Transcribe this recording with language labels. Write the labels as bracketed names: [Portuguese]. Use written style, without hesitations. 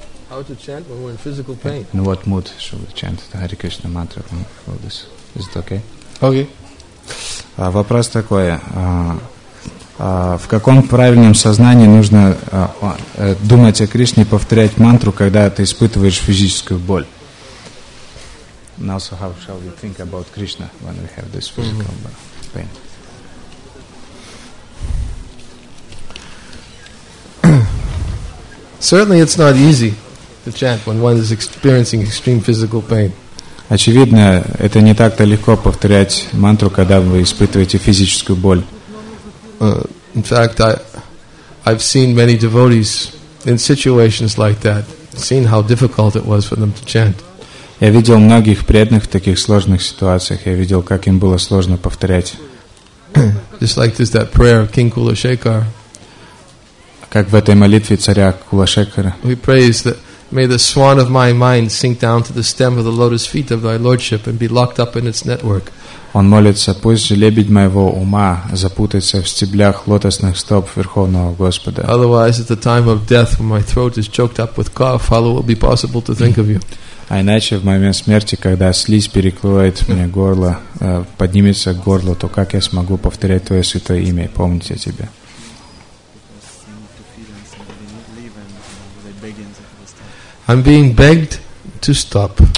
[English] How to chant when we're in physical pain? In what mood should we chant the Hare Krishna mantra when we feel this? Is it okay? Okay. [Russian] Вопрос такой. В каком правильном сознании нужно думать о Кришне и повторять мантру, когда ты испытываешь физическую боль? [English] And also how shall we think about Krishna when we have this physical pain? Certainly it's not easy to chant when one is experiencing extreme physical pain. [Russian] Очевидно, это не так-то легко повторять мантру, когда вы испытываете физическую боль. [English] In fact, I've seen many devotees in situations like that, seen how difficult it was for them to chant. [Russian] Я видел многих преданных в таких сложных ситуациях, я видел, как им было сложно повторять. [English] Just like this, that prayer of King Kulashekar. [Russian] Как в этой молитве царя Кулашекара. [English] We praise that may the swan of my mind sink down to the stem of the lotus feet of thy lordship and be locked up in its network. [Russian] Он молится: пусть лебедь моего ума запутается в стеблях лотосных стоп Верховного Господа. [English] Otherwise, at the time of death, when my throat is choked up with cough, how will it be possible to think of you? [Russian] А иначе в момент смерти, когда слизь перекрывает мне горло, поднимется к горлу, то как я смогу повторять твое святое имя и помнить о тебе? [English] I'm being begged to stop.